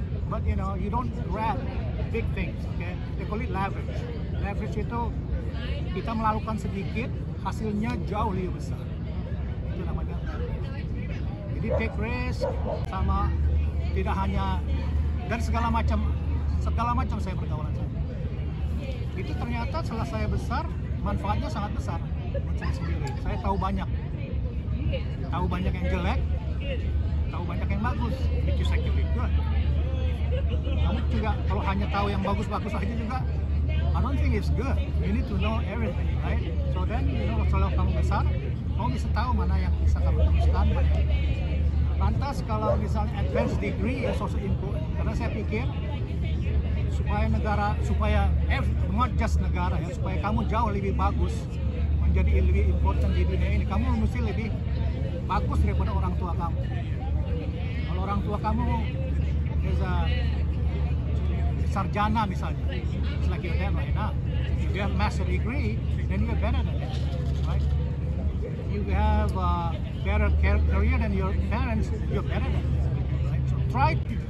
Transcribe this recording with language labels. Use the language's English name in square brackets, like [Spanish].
[English] But you know, you don't grab big things, okay? They call it leverage. [Indonesian] Leverage itu, kita melakukan sedikit, hasilnya jauh lebih besar. Itu namanya. Jadi [English] take risk, [Indonesian] sama tidak hanya, dan segala macam saya bergaulan saya. Itu ternyata setelah saya besar, manfaatnya sangat besar buat saya sendiri. Saya tahu banyak yang jelek, tahu banyak yang bagus, [English] which is actually good. [Indonesian] Kamu juga kalau hanya tahu yang bagus-bagus saja juga, [English] I don't think it's good. You need to know everything, right? So then, you know, [Indonesian] kalau kamu besar, kamu bisa tahu mana yang bisa kamu teruskan. Lantas kalau misalnya [English] advanced degree is also important, [Indonesian] karena saya pikir supaya kamu jauh lebih bagus menjadi lebih important di dunia ini, kamu mesti lebih bagus daripada orang tua kamu. Kalau orang tua kamu [English] is a sarjana misalnya, it's like you're there right now. If you have a master degree, then you're better than them, right? If you have a better career than your parents, you're better than them, right? So try to...